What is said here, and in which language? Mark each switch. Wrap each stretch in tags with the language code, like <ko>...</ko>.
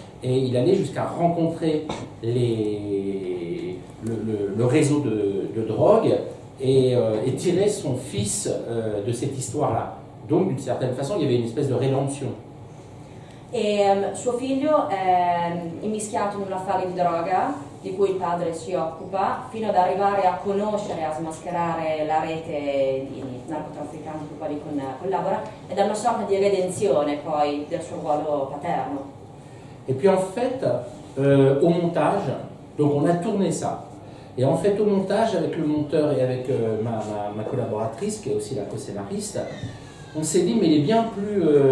<fr>Et il allait jusqu'à rencontrer le réseau de drogue et tirer son fils de cette histoire-là. Donc, d'une certaine façon, il y avait une espèce de rédemption.</fr> <it>E suo figlio è immischiato in un affare di droga di cui il padre si occupa fino ad arrivare a conoscere, a smascherare la rete di narcotrafficanti con cui collabora ed è una sorta di redenzione poi del suo ruolo paterno. E poi</it> <fr>en fait, au montage, donc on a tourné ça, et en fait au montage avec le monteur et avec ma collaboratrice qui est aussi la co-scénariste, on s'est dit, mais il est bien plus.</fr>